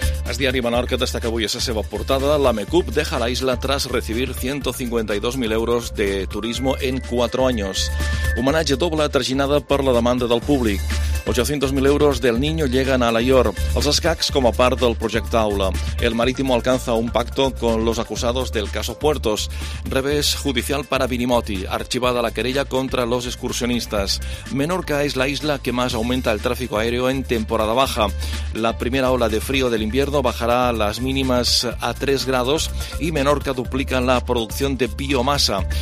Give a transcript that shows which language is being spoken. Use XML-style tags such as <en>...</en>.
<ca>El diari Menorca destaca avui a la seva portada:</ca> <es>la MECUP deja la isla tras recibir 152.000 euros de turismo en 4 años.</es> <ca>Homenatge doble traginada per la demanda del públic.</ca> <es>800.000 euros del Niño llegan a la IOR.</es> <ca>Els escacs com a part del projecte Aula.</ca> <es>El Marítimo alcanza un pacto con los acusados del caso Puertos. Revés judicial para Vinimoti. Archivada la querella contra los excursionistas. Menorca es la isla que más aumenta el tráfico aéreo en temporada baja. La primera ola de frío del invierno bajará las mínimas a 3 grados y Menorca duplica la producción de biomasa.</es>